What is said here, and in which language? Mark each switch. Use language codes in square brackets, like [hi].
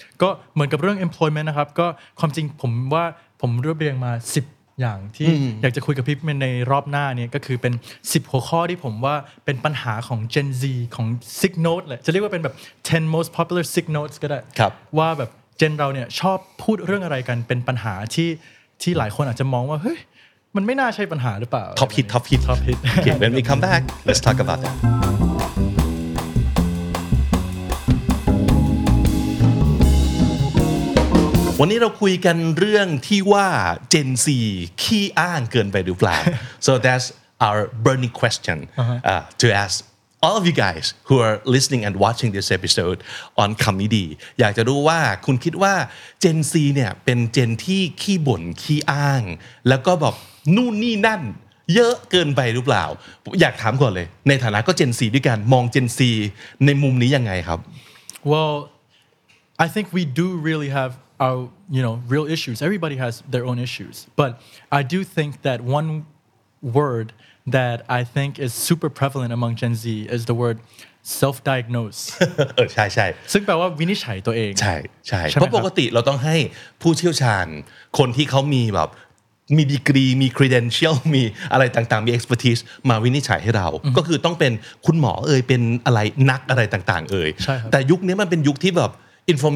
[th] ก็เหมือนกับเรื่อง employment นะครับก็ความจริงผมว่าผมรวบเรียงมา10อย่างที่ mm-hmm. อยากจะคุยกับพี่ในรอบหน้าเนี่ยก็คือเป็น10หัวข้อที่ผมว่าเป็นปัญหาของ Gen Z ของ sick note แหละจะเรียกว่าเป็นแบบ [en] 10 most popular sick notes [th] ก็ได้ ว่าแบบ Gen เราเนี่ยชอบพูดเรื่องอะไรกันเป็นปัญหาที่หลายคนอาจจะมองว่าเฮ้ยมันไม่น่าใช่ปัญหาหรือเปล่า [en] Top hit Okay, when we come back, let's talk about that. [th] วันนี้เราคุยกันเรื่องที่ว่า Gen Z ขี้อ้างเกินไปหรือเปล่า [en] So that's our burning question to ask all of you guys who are listening and watching this episode on Comedy. [th] อยากจะรู้ว่าคุณคิดว่า Gen Z เนี่ยเป็นเจนที่ขี้บ่นขี้อ้างแล้วก็แบบนู่นนี่นั่นเยอะเกินไปหรือเปล่าอยากถามก่อนเลยในฐานะก็เจนซีด้วยกันมองเจนซีในมุมนี้ยังไงครับ [en] Well I think we do really have our you know real issues everybody has their own issues but I do think that one word that I think is super prevalent among Gen Z is the word self-diagnose [th] ใช่ใช่ ซึ่งแปลว่าวินิจฉัยตัวเอง ใช่ใช่เพราะปกติเราต้องให้ผู้เชี่ยวชาญคนที่เขามีแบบมีดีกรีมีเครดิเอนเชียลมีอะไรต่างๆมีเอ็กซ์เพอร์ติสมาวินิจฉัยให้เราก็คือต้องเป็นคุณหมอเอ่ยเป็นอะไรนักอะไรต่างๆเอ่ยแต่ยุคนี้มันเป็นยุคที่แบบอินโฟเ